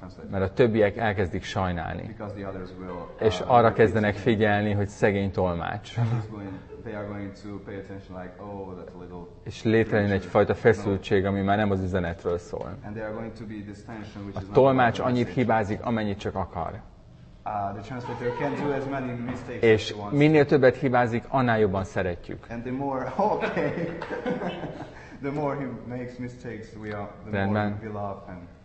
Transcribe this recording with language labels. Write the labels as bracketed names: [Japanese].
[Hungarian] Mert a többiek elkezdik sajnálni. És arra kezdenek figyelni, hogy szegény tolmács. [English] They are going to pay attention like, oh, that little. [Hungarian] És létrejön egyfajta feszültség, ami már nem az üzenetről szól. [English] And there are going to be this tension, which [Hungarian] a tolmács annyit hibázik, amennyit csak akar. [English] The translator can do as many mistakes. [Hungarian] És minél többet hibázik, annál jobban szeretjük. [English] And the more, okay. The more he makes mistakes, we are the more we love him.